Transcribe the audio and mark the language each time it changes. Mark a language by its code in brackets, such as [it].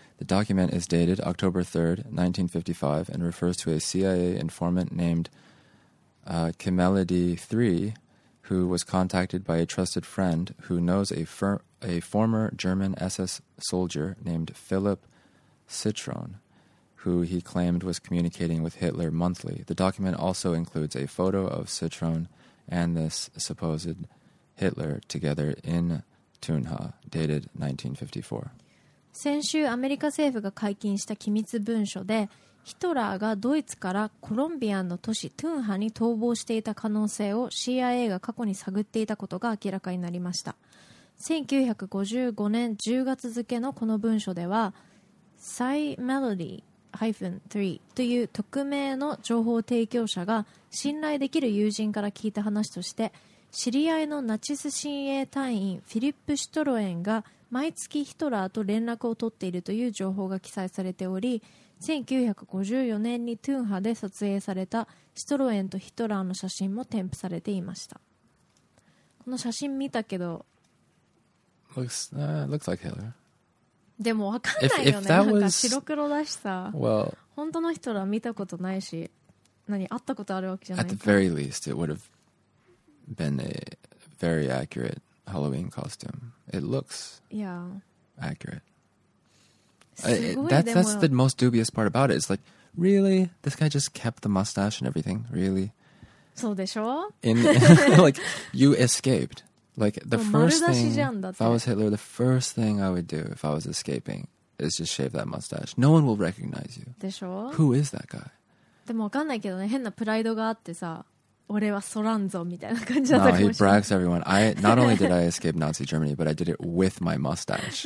[en] The document is dated October 3rd, 1955 and refers to a CIA informant named Kimeledi III, who was contacted by a trusted friend who knows a former German SS soldier named Philip Citron, who he claimed was communicating with Hitler monthly. The document also includes a photo of Citron and this supposed Hitler together in Tunja, dated 1954. [ja] 先週アメリカ政府が解禁した機密文書で、ヒトラーがドイツからコロンビアの都市トゥンハに逃亡していた可能性を CIA が過去に探っていたことが明らかになりました。 1955年10月付のこの文書では、Cymelody-3 という匿名の情報提供者が信頼できる友人から聞いた話として、知り合いのナチス親衛隊員フィリップ・シュトロエンが毎月ヒトラーと連絡を取っているという情報が記載されており、1954年にトゥンハで撮影されたシュトロエンとヒトラーの写真も添付されていました。この写真見たけど、 [en] Looks like Hitler. [ja] でも分かんないよね。なんか白黒だしさ。 [en] Well, [ja] 本当のヒトラー見たことないし、何会ったことあるわけじゃないか。 [en] At the very least, it would have been a very accurate Halloween costume. It looks accurate. That's the most dubious part about it. It's like, really? This guy just kept the mustache and everything? Really? [ja] そうでしょ? [en] like, you escaped. Like, the first thing, if I was Hitler, the first thing I would do if I was escaping is just shave that mustache. No one will recognize you. [ja] でしょ? [en] Who is that guy? [ja] でも分かんないけどね、変なプライドがあってさ、俺はそらんぞみたいな感じだったかもしれない。 [en] No, he brags everyone. I, not only did I escape Nazi Germany, but I did it with my mustache.